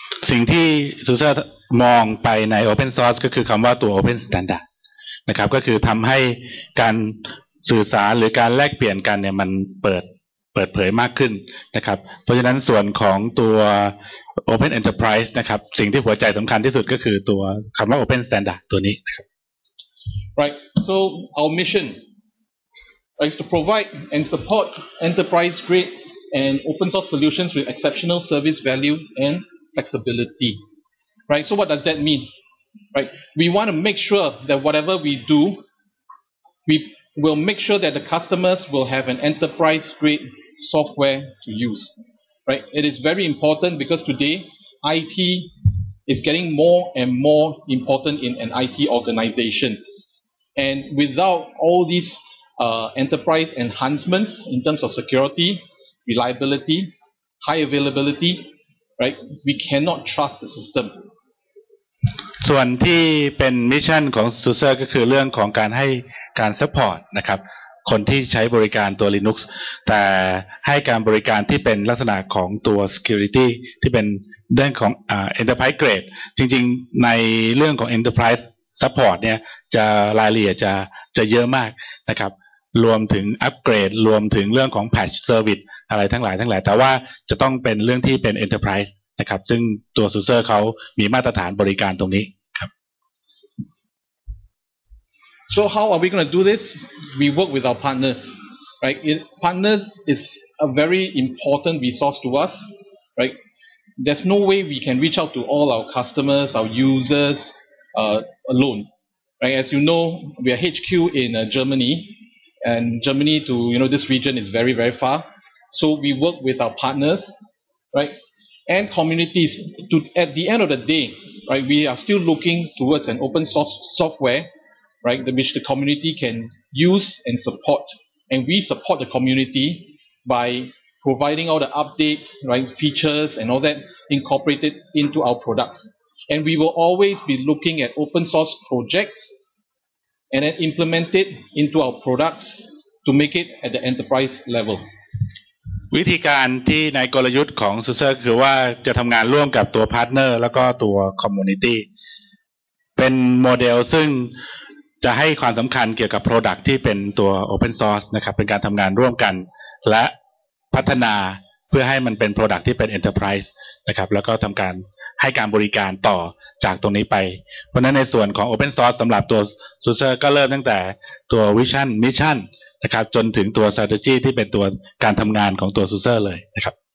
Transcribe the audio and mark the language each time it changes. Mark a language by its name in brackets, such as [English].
[Thai] สิ่งที่ทุกท่านมองไปใน open source ก็คือคำว่าตัว open standardนะครับก็คือทำให้การสื่อสารหรือการแลกเปลี่ยนกันเนี่ยมันเปิดเผยมากขึ้นนะครับเพราะฉะนั้นส่วนของตัว Open Enterprise นะครับสิ่งที่หัวใจสำคัญที่สุดก็คือตัวคำว่า Open Standard ตัวนี้ [English] Right so our mission is to provide and support enterprise grade and open source solutions with exceptional service value and flexibility Right so what does that meanRight. We want to make sure that whatever we do, we will make sure that the customers will have an enterprise-grade software to use. Right. It is very important because today IT is getting more and more important in an IT organization. And without all these enterprise enhancements in terms of security, reliability, high availability, right, we cannot trust the system. [Thai] ส่วนที่เป็นมิชชั่นของซูเซอร์ก็คือเรื่องของการให้การซัพพอร์ตนะครับคนที่ใช้บริการตัว Linux แต่ให้การบริการที่เป็นลักษณะของตัว security ที่เป็นเรื่องของenterprise grade จริงๆในเรื่องของ enterprise support เนี่ยจะรายละเอียดจะเยอะมากนะครับ รวมถึงอัปเกรดรวมถึงเรื่องของแพทช์เซอร์วิสอะไรทั้งหลายแต่ว่าจะต้องเป็นเรื่องที่เป็น Enterprise นะครับซึ่งตัวซูเซอร์เขามีมาตรฐานบริการตรงนี้ครับ [English] So how are we going to do this? We work with our partners, right? Partners is a very important resource to us, right? There's no way we can reach out to all our customers, our users alone, right? As you know, we are HQ in Germany. And Germany to, you know, this region is very, very far. So we work with our partners, right? And communities. At the end of the day, right, we are still looking towards an open source software, right, which the community can use and support. And we support the community by providing all the updates, right, features and all that incorporated into our products. And we will always be looking at open source projects,And then implement it into our products to make it at the enterprise level. [Thai] วิธีการที่ในกลยุทธ์ของ Suser คือว่าจะทำงานร่วมกับตัวพาร์ทเนอร์แล้วก็ตัว community เป็นโมเดลซึ่ง จะให้ความสำคัญเกี่ยวกับ product ที่เป็นตัว open source นะครับเป็นการทำงานร่วมกันและพัฒนาเพื่อให้มันเป็น product ที่เป็น enterprise นะครับแล้วก็ทำการให้การบริการต่อจากตรงนี้ไปเพราะนั้นในส่วนของ Open Source สำหรับตัว Suser ก็เริ่มตั้งแต่ตัว Vision Mission นะครับจนถึงตัว Strategy ที่เป็นตัวการทำงานของตัว Suser เลยนะครับ